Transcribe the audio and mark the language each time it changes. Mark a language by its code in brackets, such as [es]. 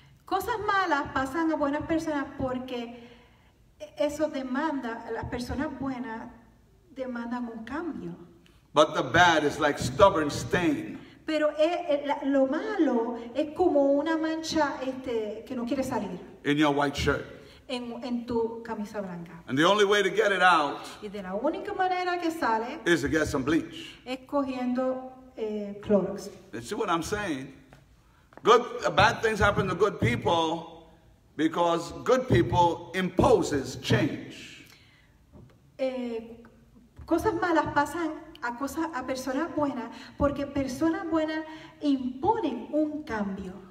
[es] Cosas malas pasan a buenas personas porque eso demanda, las personas buenas demandan un cambio. [en] But the bad is like stubborn stain. [es] Pero lo malo es como una mancha que no quiere salir. [en] In your white shirt. [es] En tu camisa blanca. [en] And the only way to get it out. [es] Y de la única manera que sale. [en] Is to get some bleach. [es] Es cogiendo Clorox. [en] You see what I'm saying? Good, bad things happen to good people because good people imposes change. [es] Cosas malas pasan a personas buenas porque personas buenas imponen un cambio.